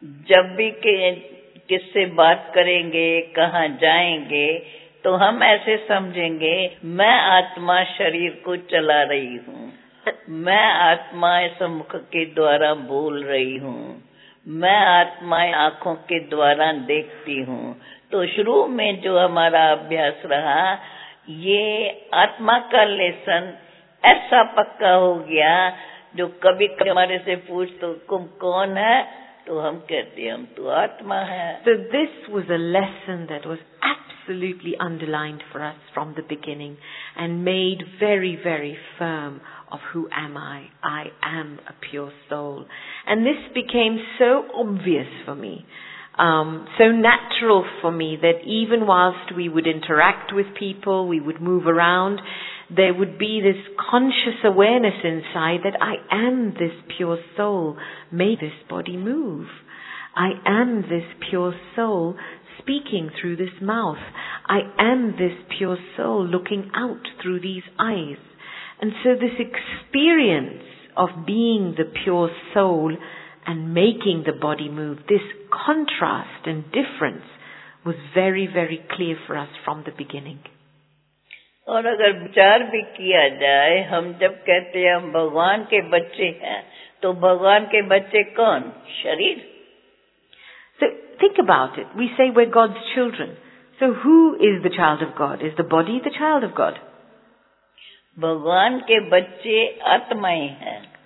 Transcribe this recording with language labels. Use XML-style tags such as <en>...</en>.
<hi>जब भी किससे बात करेंगे, कहाँ जाएंगे, तो हम ऐसे समझेंगे मैं आत्मा शरीर को चला रही हूँ, मैं आत्मा इस मुख के द्वारा बोल रही हूँ, मैं आत्माएं आँखों के द्वारा देखती हूँ. तो शुरू में जो हमारा अभ्यास रहा ये आत्मा का लेसन ऐसा पक्का हो गया जो कभी हमारे से पूछ तो तुम कौन है तो हम कहते हम तो आत्मा है.</hi> <en>So this was a lesson that was absolutely underlined for us from the beginning and made very very firm of who am I? I am a pure soul. And this became so obvious for me, so natural for me that even whilst we would interact with people, we would move around, there would be this conscious awareness inside that I am this pure soul. May this body move. I am this pure soul speaking through this mouth. I am this pure soul looking out through these eyes. And so this experience of being the pure soul and making the body move, this contrast and difference was very, very clear for us from the beginning.</en> <hi>और अगर विचार भी किया जाए, हम जब कहते हैं हम भगवान के बच्चे हैं, तो भगवान के बच्चे कौन? शरीर.</hi> <en>So think about it. We say we're God's children. So who is the child of God? Is the body the child of God?</en> <hi>भगवान के बच्चे आत्माएं हैं.</hi>